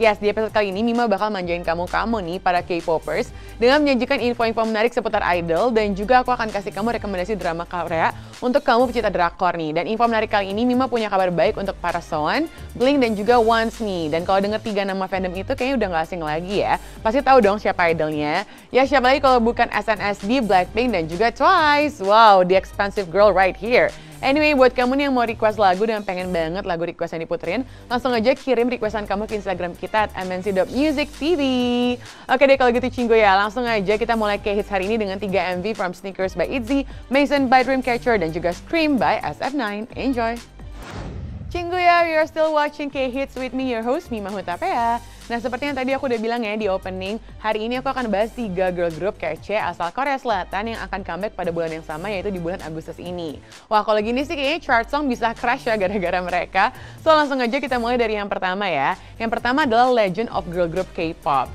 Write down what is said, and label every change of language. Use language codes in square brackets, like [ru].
[id] Yes, di episode kali ini Mima bakal manjain kamu-kamu nih, para K-popers, dengan menyajikan info-info menarik seputar idol, dan juga aku akan kasih kamu rekomendasi drama Korea untuk kamu pecinta drakor nih. Dan info menarik kali ini, Mima punya kabar baik untuk para Soan, Blink, dan juga Once nih. Dan kalau dengar tiga nama fandom itu kayaknya udah gak asing lagi ya. Pasti tahu dong siapa idolnya. Ya, siapa lagi kalau bukan SNSD, Blackpink, dan juga Twice. [en] Wow, the expensive girl right here. [id] Anyway, buat kamu nih yang mau request lagu dan pengen banget lagu request yang diputerin, langsung aja kirim requestan kamu ke Instagram kita at mnc.musictv. Oke deh, kalau gitu Chingu ya, langsung aja kita mulai ke hits hari ini dengan 3 MV from Sneakers by ITZY, Mason by Dreamcatcher, dan juga Scream by SF9. Enjoy! [en] Chingu ya, you're still watching K-Hits with me, your host Mima Hutapea. [id] Nah, seperti yang tadi aku udah bilang ya di opening, hari ini aku akan bahas 3 girl group kece asal Korea Selatan yang akan comeback pada bulan yang sama, yaitu di bulan Agustus ini. Wah, kalau gini sih kayaknya chart song bisa crash ya gara-gara mereka. So, langsung aja kita mulai dari yang pertama ya. Yang pertama adalah Legend of Girl Group K-Pop.